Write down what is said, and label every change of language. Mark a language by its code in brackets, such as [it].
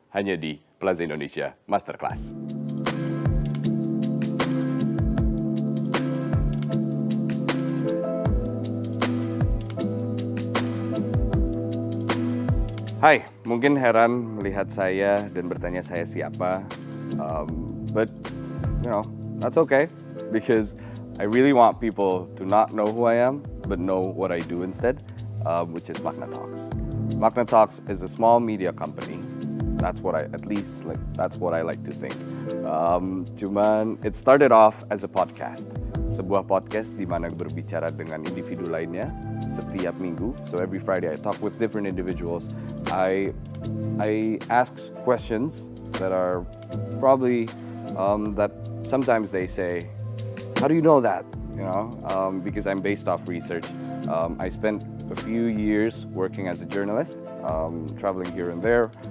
[id] Hanya di Plaza Indonesia Masterclass. Hai, mungkin heran melihat saya dan bertanya saya siapa. [en] But, you know, that's okay, because I really want people to not know who I am, but know what I do instead, which is Makna Talks. Makna Talks is a small media company. That's what I, at least, like, that's what I like to think. Cuman, it started off as a podcast. [id] Sebuah podcast di mana berbicara dengan individu lainnya setiap minggu. [en] So every Friday I talk with different individuals. I ask questions that are probably that sometimes they say, how do you know that? You know, because I'm based off research. I spent a few years working as a journalist, traveling here and there.